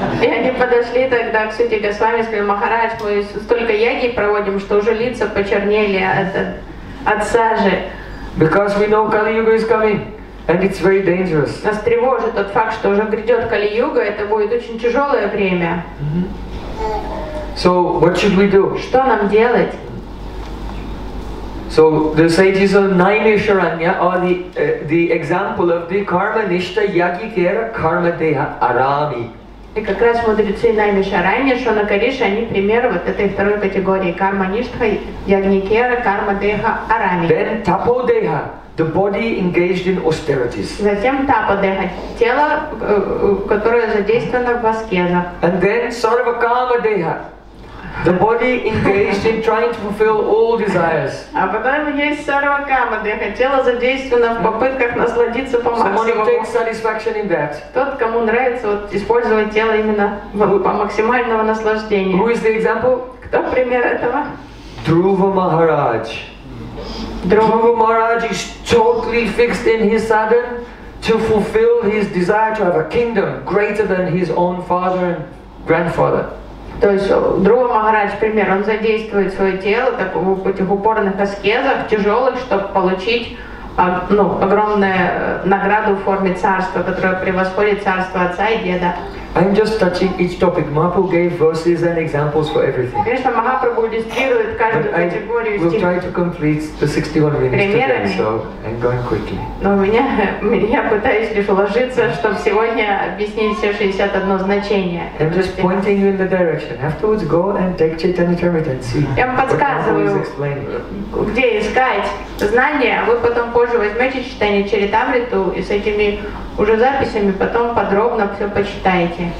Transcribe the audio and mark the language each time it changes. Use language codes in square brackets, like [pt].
[ru] И они подошли тогда к Сути Госвами и сказали, Махарадж, мы столько яги проводим, что уже лица почернели от сажи. [en] Because we know Kali Yuga is coming and it's very dangerous. [ru] Нас тревожит тот факт, что уже грядет Кали Юга, это будет очень тяжелое время. [en] So what should we do? [ru] Что нам делать? [en] So the sages of Naimisharanya are the example of the Karma Nishta Yagikera Karma Deha Arami. [ru] И как раз мудрецы Наймишаранья, Шона Кариша, они пример вот этой второй категории Карма Ништха Ягникера Карма Деха Арами. [en] Then Tapo Deha, the body engaged in austerities. [ru] Затем Tapo Deha, тело, которое задействовано в аскезах. [en] And then Sarva Kama Deha. The body engaged in trying to fulfill all desires. [ru] А потом есть сарвакама, где тело задействовано в попытках насладиться по максимуму. [en] Someone who takes satisfaction in that. [ru] Тот, кому нравится вот использовать тело именно по максимальному наслаждению. [en] Who is the example? [ru] Кто пример этого? [en] Dhruva Maharaj. Dhruva Maharaj is totally fixed in his sadhana to fulfill his desire to have a kingdom greater than his own father and grandfather. [ru] То есть Друва Махарадж, пример, он задействует свое тело так, в этих упорных аскезах, тяжелых, чтобы получить огромную награду в форме царства, которое превосходит царство отца и деда. [en] I'm just touching each topic. Mahaprabhu gave verses and examples for everything. [ru] Конечно, Махапрабху иллюстрирует каждую категорию. [en] We'll try to complete the 61 minutes today, so I'm going quickly. [ru] Но я пытаюсь лишь уложиться, чтобы сегодня объяснить все 61 значение. [en] I'm just pointing you in the direction. Afterwards, go and take Chaitanya Charitamrita and see. [ru] Я вам подсказываю, где искать знания. Вы потом позже возьмете Чайтанья Чаритамриту и с этими уже записями потом подробно все почитаете.